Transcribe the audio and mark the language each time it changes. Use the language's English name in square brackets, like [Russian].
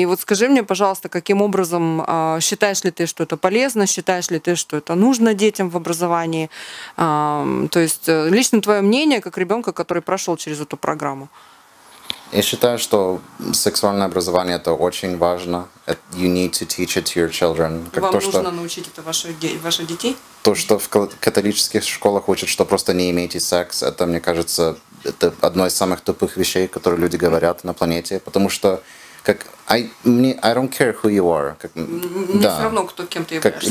[Russian] И вот скажи мне, пожалуйста, каким образом считаешь ли ты, что это полезно, считаешь ли ты, что это нужно детям в образовании? То есть лично твое мнение, как ребенка, который прошел через эту программу? Я считаю, что сексуальное образование – это очень важно. [English] You need to teach it to your children. [Russian] Как вам то, нужно что... научить это ваших детей? То, что в католических школах учат, что просто не имейте секс, это, мне кажется, это одно из самых тупых вещей, которые люди говорят на планете. Потому что, как, [English] I don't care who you are. Как, [Russian] мне да, все равно, кто, кем ты являешься.